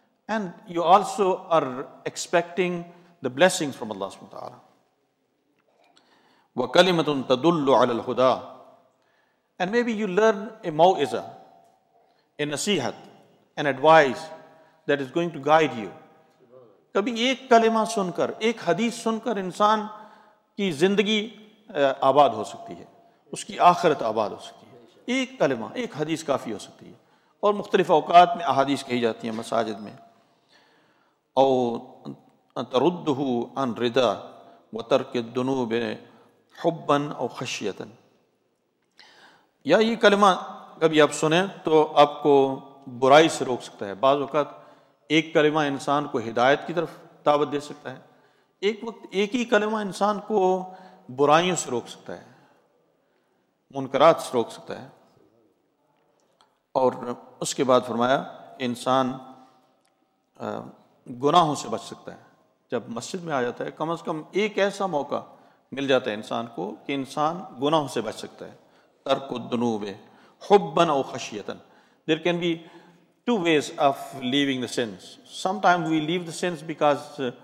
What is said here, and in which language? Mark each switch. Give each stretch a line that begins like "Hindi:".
English: And you also are expecting the blessings from Allah subhanahu wa ta'ala.
Arabic: وَكَلِمَةٌ تَدُلُّ عَلَى الْهُدَىٰ.
English: And maybe you learn a maw'izah, a nasihat, an advice that is going to guide you.
Urdu: کبھی ایک کلمہ سن کر, ایک حدیث سن کر انسان کی زندگی آباد ہو سکتی ہے, اس کی آخرت آباد ہو سکتی ہے. ایک کلمہ, ایک حدیث کافی ہو سکتی ہے. اور مختلف اوقات میں احادیث کہی جاتی ہیں مساجد میں.
Arabic: او تردہ عن رضا وترک الذنوب حبا او خشیتا.
Urdu: یا یہ کلمہ کبھی آپ سنیں تو آپ کو برائی سے روک سکتا ہے. بعض وقت ایک کلمہ انسان کو ہدایت کی طرف دعوت دے سکتا ہے, ایک وقت ایک ہی کلمہ انسان کو برائیوں سے روک سکتا ہے, منکرات سے روک سکتا ہے. اور اس کے بعد فرمایا کہ انسان گناہوں سے بچ سکتا ہے جب مسجد میں آ جاتا ہے. کم از کم ایک ایسا موقع مل جاتا ہے انسان کو کہ انسان گناہوں سے بچ سکتا ہے.
Arabic: ترک الذنوب حبا او خشیتا.
English: There can be two ways of leaving the sins. Some time we leave the sins because